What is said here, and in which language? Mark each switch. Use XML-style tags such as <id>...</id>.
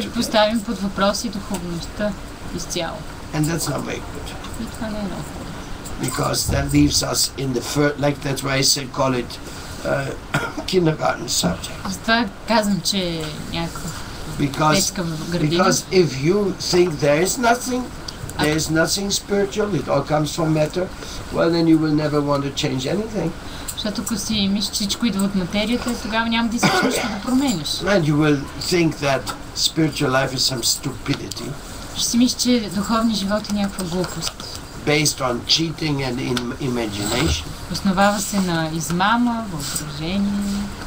<bg>И да поставим под въпрос и духовността изцяло.</bg> <en>And that's not very good.</en> <bg>И това не е много.</bg> <en>Because that leaves us in the first, like that's why I said call it kindergarten subject.</en> <bg>Затова казвам, че някакво.</bg> <en>Because if you think there is nothing spiritual, it all comes from matter, well then you will never want to change anything.</en> <bg>Защото ако си мислиш, че всичко идва от материята, тогава няма да искаш нищо да промениш.</bg> <en>And you will think that spiritual life is some stupidity.</en> <bg>Ще си мислиш, че духовният живот е някаква глупост.</bg> <en>Based on cheating and imagination.</en> <bg>Основава се на измама, въображение.</bg>